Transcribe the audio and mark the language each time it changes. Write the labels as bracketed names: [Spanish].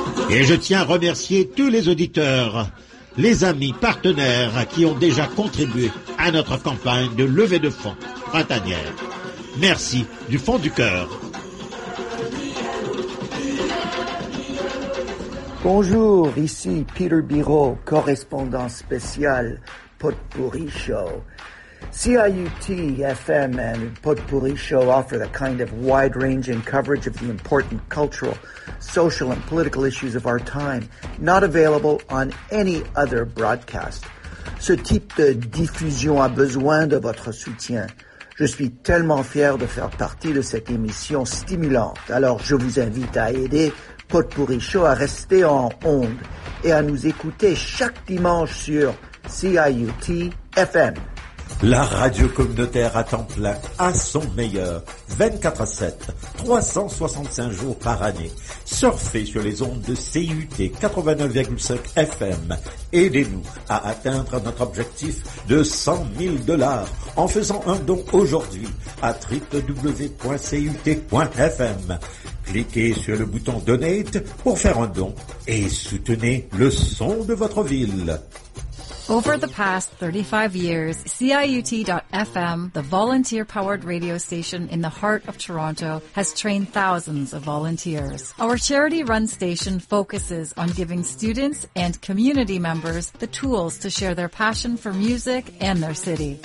[French] Et je tiens à remercier tous les auditeurs, les amis, partenaires qui ont déjà contribué à notre campagne de levée de fonds printanière. Merci du fond du cœur. Bonjour, ici Peter Biro, correspondant spécial Potpourri Show. [English] CIUT FM and Potpourri Show offer the kind of wide-ranging coverage of the important cultural, social, and political issues of our time, not available on any other broadcast. [French] Ce type de diffusion a besoin de votre soutien. Je suis tellement fier de faire partie de cette émission stimulante. Alors, je vous invite à aider Potpourri Show à rester en onde et à nous écouter chaque dimanche sur CIUT FM. La radio communautaire à temps plein, à son meilleur, 24 à 7, 365 jours par année. Surfez sur les ondes de CUT 89,5 FM. Aidez-nous à atteindre notre objectif de 100 000 dollars en faisant un don aujourd'hui à www.cut.fm. Cliquez sur le bouton Donate pour faire un don et soutenez le son de votre ville. [English] Over the past 35 years, CIUT.FM, the volunteer-powered radio station in the heart of Toronto, has trained thousands of volunteers. Our charity-run station focuses on giving students and community members the tools to share their passion for music and their city.